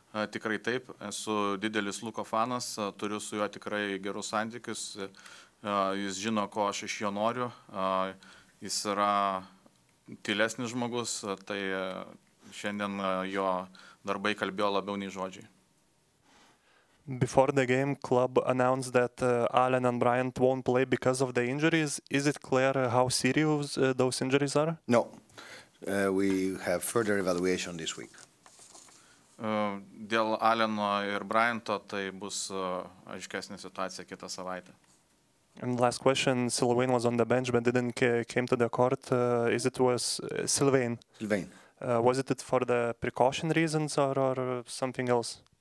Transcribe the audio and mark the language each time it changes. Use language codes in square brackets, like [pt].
[lv] Tikrai taip, esu didelis Luko fanas, turiu su juo tikrai gerus santykius. Jis žino, ko aš iš jo noriu. Jis yra tylesnis žmogus, tai šiandien jo darbai kalbėjo labiau nei žodžiai. [en] Before the game, club announced that Allen and Bryant won't play because of the injuries. Is it clear how serious those injuries are? No. We have further evaluation this week. [lt] Dėl Alleno ir Bryanto tai bus aiškesnė situacija kitą savaitę. [en] And last question, Sylvain was on the bench but didn't came to the court. Is it was Sylvain? Sylvain. Was it for the precaution reasons or something else?